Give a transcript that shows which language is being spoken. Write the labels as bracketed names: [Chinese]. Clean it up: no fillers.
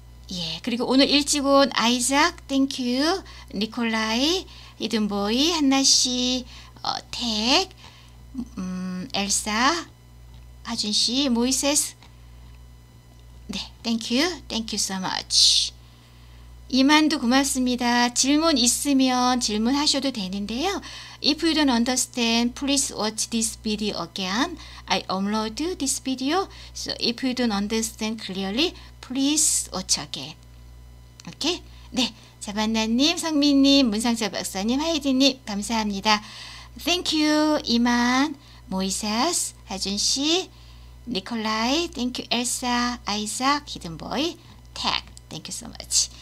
[Korean] 예, 그리고 오늘 일찍 온 아이작, 땡큐, 니콜라이, 히든보이, 한나씨, 택, 엘사, 하준씨, 모이세스, 네, [English] 땡큐, 땡큐 서머치. [Korean] 이만두 고맙습니다. 질문 있으면 질문하셔도 되는데요. [English] If you don't understand, please watch this video again. I upload this video. So if you don't understand clearly, please watch again. Okay? [Korean] 네, 자반나님, 성민님, 문상자 박사님, 하이디님 감사합니다. [English] Thank you, 이만, 모이세스, 하준씨, 니콜라이, Thank you, 엘사, 아이삭, 히든보이, 택. Thank you so much.